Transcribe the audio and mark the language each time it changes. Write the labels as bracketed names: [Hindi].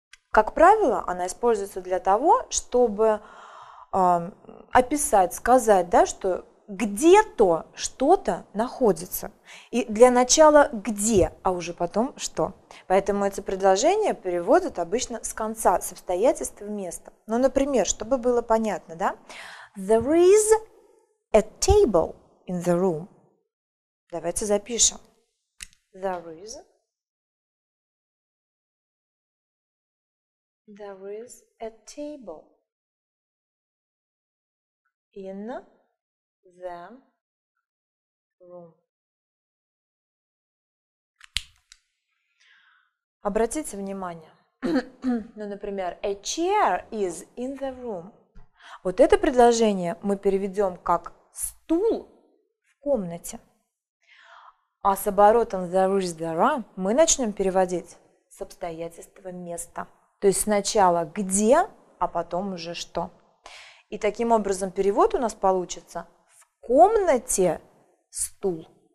[Russian] Как правило, она используется для того, чтобы описать, сказать, да, что где-то что-то находится. И для начала где, а уже потом что. Поэтому эти предложения переводят обычно с конца, с обстоятельств места. Ну, например, чтобы было понятно, да? [English] There is a table in the room. [Russian] Давайте запишем. [English] There is. There is a table in the room. [Russian] Обратите внимание, ну, например, [English] a chair is in the room. [Russian] Вот это предложение мы переведем как стул в комнате. А с оборотом [English] there is, there are [Russian] мы начнем переводить с обстоятельства места. То есть сначала где, а потом уже что. И таким образом перевод у нас получится в комнате стул.